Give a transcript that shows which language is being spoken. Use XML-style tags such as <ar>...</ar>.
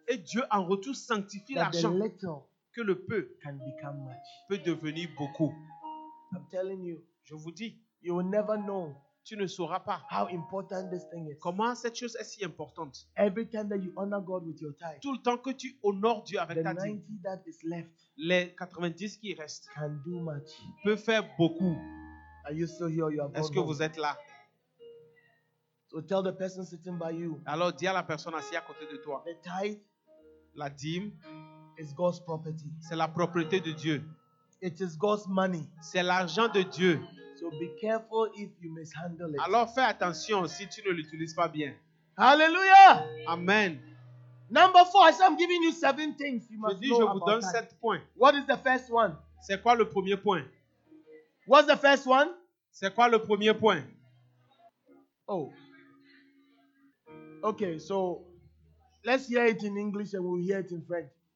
<fr>Et Dieu en retour sanctifie l'argent.</fr> <en>The little</en> <fr>que le peu</fr> <en>can become much.</en> <fr>Peut devenir beaucoup.</fr> <en>I'm telling you,</en> <fr>je vous dis,</fr> <en>you will never know.</en> <fr>Tu ne sauras pas</fr> <en>how important this thing is.</en> <fr>Comment cette chose est si importante.</fr> <en>Every time that you honor God with your tithe,</en> <fr>tout le temps que tu honores Dieu avec</fr> <en>the</en> <fr>ta dîme,</fr> <en>that is left,</en> <fr>les 90 qui restent</fr> <en>can do much.</en> <fr>Peut faire beaucoup.</fr> <en>Are you still here? You are</en> <fr>est-ce que vous êtes là?</fr> <en>So tell the person sitting by you,</en> <fr>alors dis à la personne assise à côté de toi,</fr> <en>the tithe,</en> <fr>la dîme,</fr> <en>is God's property.</en> <fr>C'est la propriété de Dieu.</fr> <en>It is God's money.</en> <fr>C'est l'argent de Dieu.</fr> <en>So be careful if you mishandle it.</en> <fr>Alors fais attention si tu ne l'utilises pas bien.</fr> <en>Hallelujah. Amen. Number four, I said I'm giving you seven things you</en> <fr>je</fr> <en>must</en> <fr>dis,</fr> <en>know</en> <fr>je vous</fr> <en>about</en> <fr>donne</fr> <en>that.</en> <fr>Sept points.</fr> <en>What is the first one?</en> <fr>C'est quoi le premier point?</fr> <en>What's the first one?</en> <fr>C'est quoi le premier point?</fr> <en>Oh. Okay, so let's hear it in English and we'll hear it in French.</en>